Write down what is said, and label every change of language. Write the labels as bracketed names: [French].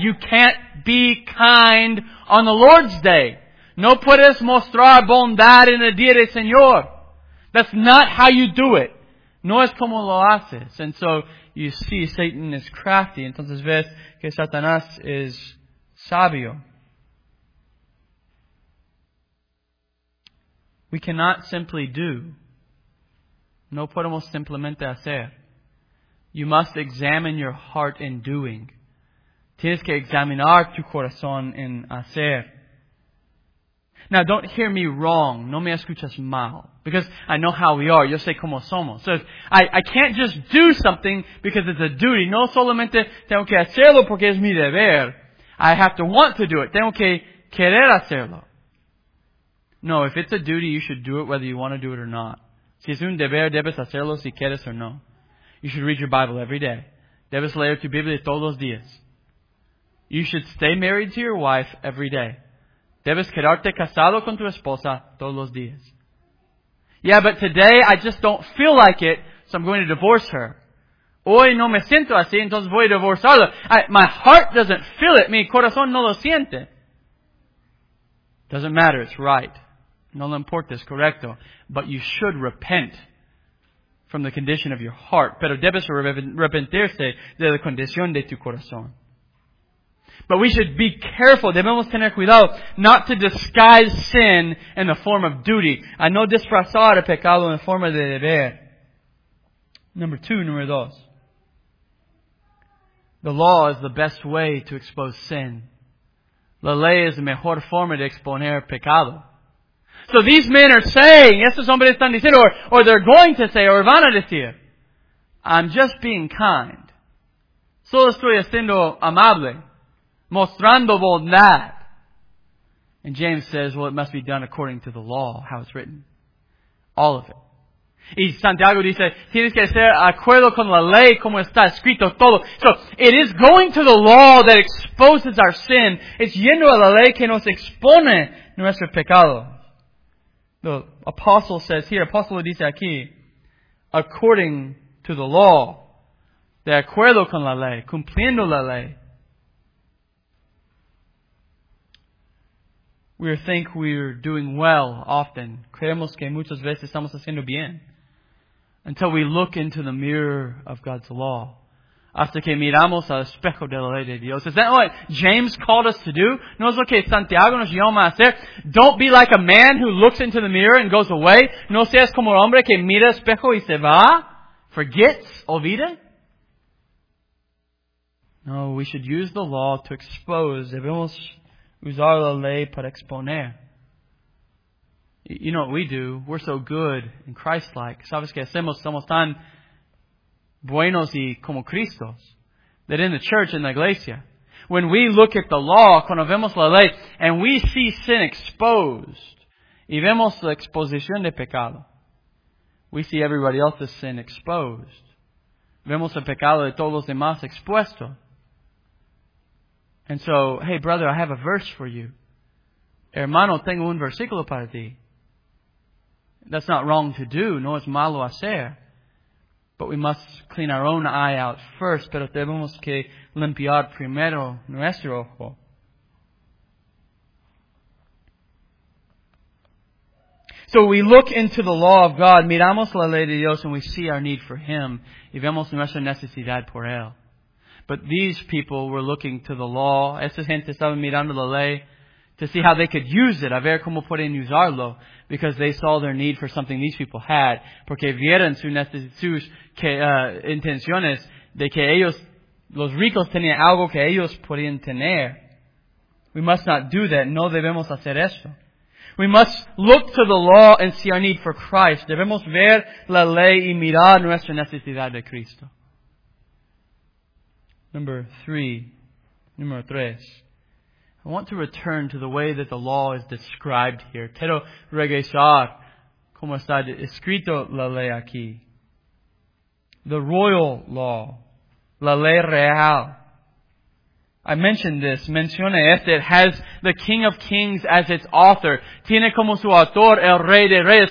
[English] You can't be kind on the Lord's Day. [Spanish] No puedes mostrar bondad en el día del Señor. [English] That's not how you do it. [Spanish] No es como lo haces. [English] And so you see Satan is crafty. [Spanish] Entonces ves que Satanás es sabio. [English] We cannot simply do. [Spanish] No podemos simplemente hacer. [English] You must examine your heart in doing. [Spanish] Tienes que examinar tu corazón en hacer. [English] Now, don't hear me wrong. [Spanish] No me escuchas mal. [English] Because I know how we are. [Spanish] Yo sé cómo somos. [English] So, I can't just do something because it's a duty. [Spanish] No solamente tengo que hacerlo porque es mi deber. [English] I have to want to do it. [Spanish] Tengo que querer hacerlo. [English] No, if it's a duty, you should do it whether you want to do it or not. [Spanish] Si es un deber, debes hacerlo si quieres o no. [English] You should read your Bible every day. [Spanish] Debes leer tu Biblia todos los días. [English] You should stay married to your wife every day. [Spanish] Debes quedarte casado con tu esposa todos los días. [English] Yeah, but today I just don't feel like it, so I'm going to divorce her. [Spanish] Hoy no me siento así, entonces voy a divorciarla. [English] My heart doesn't feel it. [Spanish] Mi corazón no lo siente. [English] Doesn't matter. It's right. [Spanish] No le importa. Es correcto. [English] But you should repent from the condition of your heart. [Spanish] Pero debes arrepentirse de la condición de tu corazón. [English] But we should be careful, [Spanish] debemos tener cuidado, [English] not to disguise sin in the form of duty. [Spanish] A no disfrazar el pecado en forma de deber. Número dos. [English] The law is the best way to expose sin. [Spanish] La ley es la mejor forma de exponer pecado. [English] So these men are saying, [Spanish] estos hombres están diciendo, [English] or they're going to say, or [Spanish] van a decir, [English] I'm just being kind. [Spanish] Solo estoy siendo amable. Mostrando bondad. [English] And James says, well, it must be done according to the law, how it's written. All of it. [Spanish] Y Santiago dice, tienes que hacer acuerdo con la ley como está escrito todo. [English] So, it is going to the law that exposes our sin. [Spanish] It's yendo a la ley que nos expone nuestro pecado. [English] The apostle says here, apostle [Spanish] dice aquí, [English] according to the law, [Spanish] de acuerdo con la ley, [English] cumpliendo la ley, we think we're doing well often. [Spanish] Creemos que muchas veces estamos haciendo bien. [English] Until we look into the mirror of God's law. [Spanish] Hasta que miramos al espejo de la ley de Dios. [English] Is that what James called us to do? [Spanish] No es lo que Santiago nos llama a hacer. [English] Don't be like a man who looks into the mirror and goes away. [Spanish] No seas como el hombre que mira al espejo y se va. [English] Forgets. [Spanish] Olvida. [English] No, we should use the law to expose. [Spanish] Debemos usar la ley para exponer. [English] You know what we do? We're so good and Christ-like. [Spanish] ¿Sabes qué hacemos? Somos tan buenos y como Cristos. [English] That in the church, in the iglesia, when we look at the law, [Spanish] cuando vemos la ley, [English] and we see sin exposed, [Spanish] y vemos la exposición de pecado, [English] we see everybody else's sin exposed. [Spanish] Vemos el pecado de todos los demás expuesto. [English] And so, hey brother, I have a verse for you. [Spanish] Hermano, tengo un versículo para ti. [English] That's not wrong to do, [Spanish] no es malo hacer. [English] But we must clean our own eye out first, [Spanish] pero debemos que limpiar primero nuestro ojo. [English] So we look into the law of God, [Spanish] miramos la ley de Dios, [English] and we see our need for Him. [Spanish] Y vemos nuestra necesidad por Él. [English] But these people were looking to the law. [Spanish] Esta gente estaba mirando la ley [English] to see how they could use it. [Spanish] A ver cómo pueden usarlo. [English] Because they saw their need for something these people had. [Spanish] Porque vieron sus intenciones de que ellos, los ricos, tenían algo que ellos podían tener. [English] We must not do that. [Spanish] No debemos hacer eso. [English] We must look to the law and see our need for Christ. [Spanish] Debemos ver la ley y mirar nuestra necesidad de Cristo. Número tres. [English] I want to return to the way that the law is described here. [Spanish] Quiero regresar como está escrito la ley aquí. [English] The royal law. [Spanish] La ley real. [English] I mentioned this. [Spanish] Menciona este. [English] It has the King of Kings as its author. [Spanish] Tiene como su autor el Rey de Reyes.